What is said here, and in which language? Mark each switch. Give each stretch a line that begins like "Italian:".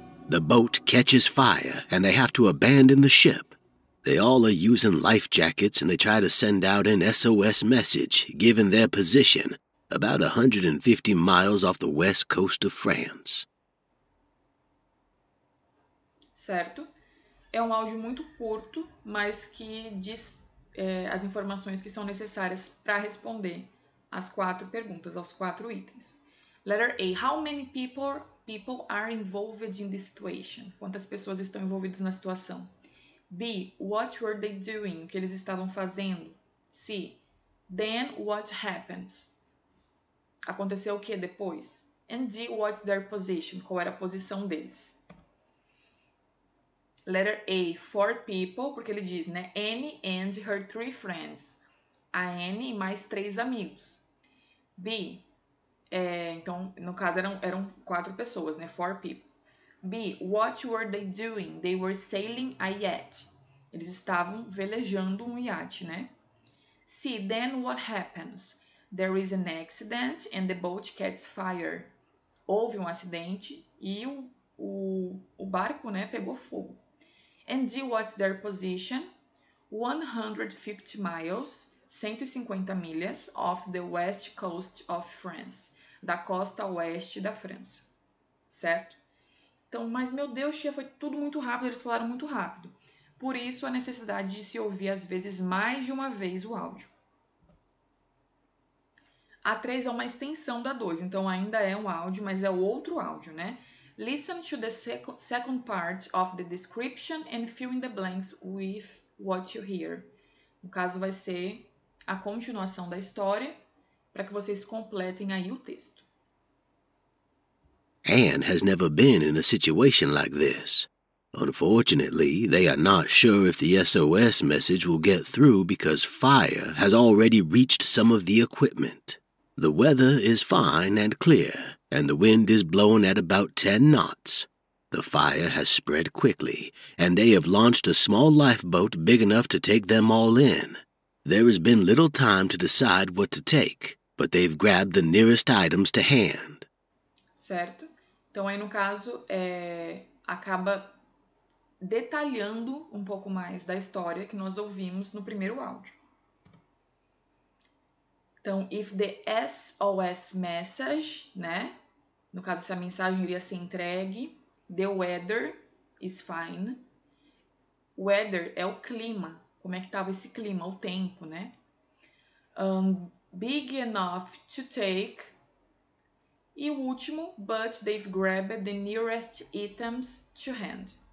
English: The boat catches fire and they have to abandon the ship. They all are using life jackets and they try to send out an SOS message given their position about 150 miles off the west coast of France.
Portuguese: Certo? É um áudio muito curto, mas que diz as informações que são necessárias para responder às quatro perguntas, aos quatro itens.
English: Letter A. How many people are involved in this situation?
Portuguese: Quantas pessoas estão envolvidas na situação? B.
English: What were they doing?
Portuguese: O que eles estavam fazendo? C.
English: Then what happens?
Portuguese: Aconteceu o que depois?
English: And D. What's their position?
Portuguese: Qual era a posição deles?
English: Letter A, 4 people,
Portuguese: porque ele diz, né?
English: Annie and her 3 friends.
Portuguese: A Annie e mais 3 amigos. B, então, no caso, eram 4 pessoas, né?
English: 4 people. B, what were they doing? They were sailing a yacht.
Portuguese: Eles estavam velejando um iate, né? C,
English: then what happens? There is an accident and the boat catches fire.
Portuguese: Houve um acidente e o barco, né, pegou fogo.
English: And D, what's their position? 150 miles, 150 milhas, off the west coast of France.
Portuguese: Da costa oeste da França. Certo? Então, mas meu Deus, tia, foi tudo muito rápido, eles falaram muito rápido. Por isso, a necessidade de se ouvir, às vezes, mais de uma vez o áudio. A 3 é uma extensão da 2, então ainda é um áudio, mas é outro áudio, né?
English: Listen to the second part of the description and fill in the blanks with what you hear.
Portuguese: No caso, vai ser a continuação da história para que vocês completem aí o texto.
English: Anne has never been in a situation like this. Unfortunately, they are not sure if the SOS message will get through because fire has already reached some of the equipment. The weather is fine and clear, and the wind is blowing at about 10 knots. The fire has spread quickly, and they have launched a small lifeboat big enough to take them all in. There has been little time to decide what to take, but they've grabbed the nearest items to hand.
Portuguese: Certo? Então, aí, no caso, acaba detalhando um pouco mais da história que nós ouvimos no primeiro áudio.
English: Então, if the SOS message, né?
Portuguese: No caso, se a mensagem iria ser entregue,
English: the weather is fine.
Portuguese: Weather é o clima. Como é que estava esse clima, o tempo, né?
English: Big enough to take.
Portuguese: E o último,
English: but they've grabbed the nearest items to hand.